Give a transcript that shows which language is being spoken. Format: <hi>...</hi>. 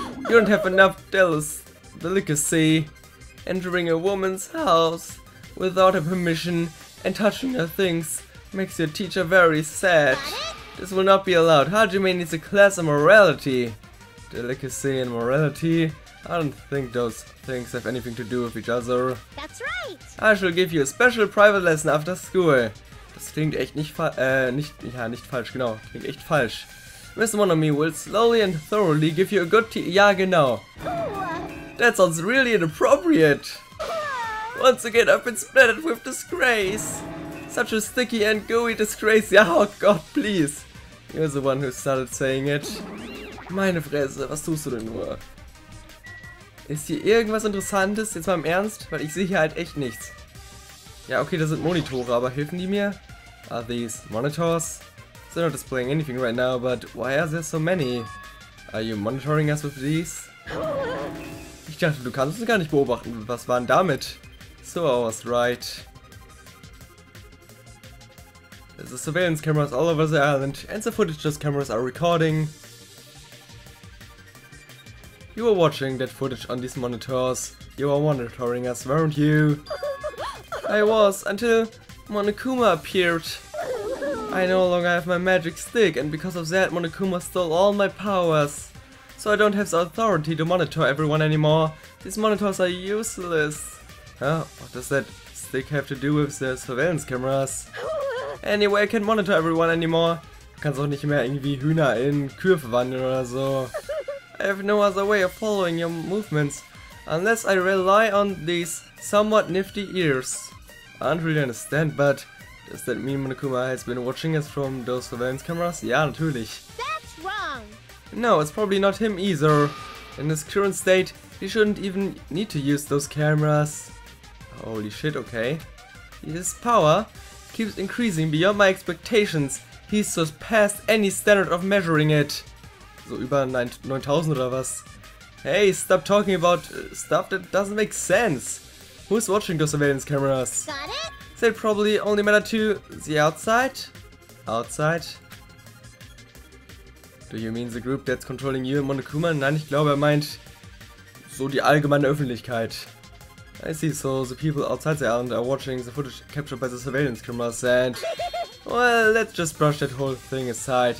<en>You don't have enough delicacy entering a woman's house without her permission and touching her things makes your teacher very sad. This will not be allowed. Hajime needs a class on morality. Delicacy and morality? I don't think those things have anything to do with each other. That's right. I shall give you a special private lesson after school.</en> <de>Das klingt echt nicht fa nicht, ja, nicht falsch, genau. Klingt echt falsch.</de> <en>Miss Monomi will slowly and thoroughly give you a good tea.</en> <de>Ja, genau.</de> <en>That sounds really inappropriate. Once again, I've been splattered with disgrace. Such a sticky and gooey disgrace.</en> <de>Ja, oh Gott,</de> <en>please. You're the one who started saying it.</en> <de>Meine Fresse, was tust du denn nur? Ist hier irgendwas Interessantes? Jetzt mal im Ernst, weil ich sehe hier halt echt nichts. Ja, okay, das sind Monitore, aber helfen die mir?</de> <en>Are these monitors? They're not displaying anything right now, but why are there so many? Are you monitoring us with these?</en> <de>Ich dachte, du kannst uns gar nicht beobachten. Was war denn damit?</de> <en>So, I was right. The surveillance cameras all over the island and the footage those cameras are recording. You were watching that footage on these monitors. You were monitoring us, weren't you? I was, until Monokuma appeared. I no longer have my magic stick, and because of that, Monokuma stole all my powers. So I don't have the authority to monitor everyone anymore. These monitors are useless. Huh? What does that stick have to do with the surveillance cameras? Anyway, I can't monitor everyone anymore.</en> <de>Du kannst auch nicht mehr irgendwie Hühner in Kühe verwandeln oder so.</de> <en>I have no other way of following your movements, unless I rely on these somewhat nifty ears. I don't really understand, but does that mean Monokuma has been watching us from those surveillance cameras?</en> <de>Ja, natürlich.</de> <en>That's wrong! No, it's probably not him either. In his current state, he shouldn't even need to use those cameras. Holy shit, okay. His power keeps increasing beyond my expectations. He's surpassed any standard of measuring it.</en> <de>So über 9000 oder was?</de> <en>Hey, stop talking about stuff that doesn't make sense. Who's watching those surveillance cameras? Got it? They probably only matter to the outside. Outside? Do you mean the group that's controlling you and Monokuma?</en> <de>Nein, ich glaube, er meint so die allgemeine Öffentlichkeit.</de> <en>I see, so the people outside the island are watching the footage captured by the surveillance cameras and... Well, let's just brush that whole thing aside.</en>